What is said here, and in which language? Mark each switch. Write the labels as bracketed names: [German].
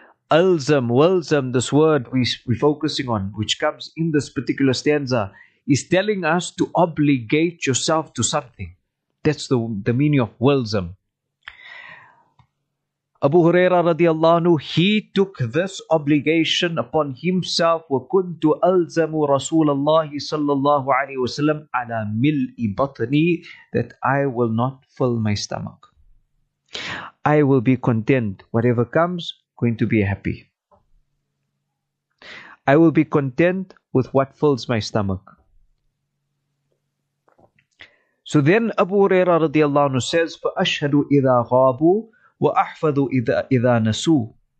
[English] Alzam, walzam, this word we're focusing on, which comes in this particular stanza, is telling us to obligate yourself to something. That's the meaning of walzam. Abu Huraira radiallahu anhu, he took this obligation upon himself. [Arabic] وَكُنْتُ أَلْزَمُ رَسُولَ اللَّهِ صَلَّى اللَّهُ عَلَيْهِ وَسَلَّمْ عَلَى مِلْءِ بَطْنِي, [English] that I will not fill my stomach. I will be content. Whatever comes, going to be happy. I will be content with what fills my stomach. So then Abu Huraira radiallahu anhu says, [Arabic] فَأَشْهَدُ إِذَا غَابُوا وَأَحْفَظُ إِذَا نَسُوا.